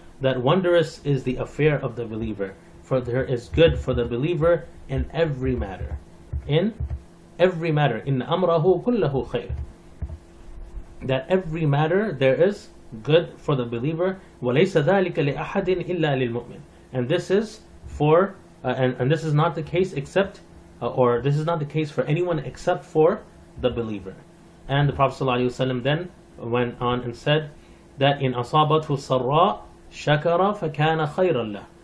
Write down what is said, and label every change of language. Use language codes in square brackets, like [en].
[en] That wondrous is the affair of the believer, for there is good for the believer in every matter. In every matter, [ar] in amrahu kullahu khair. [en] That every matter there is good for the believer. [ar] وليس ذلك لأحد إلا للمؤمن. [en] And this is for and this is not the case except or this is not the case for anyone except for the believer. And the Prophet sallallahu alaihi wasallam then went on and said that [ar] in asabatu sarra shakara fakana khayran lah.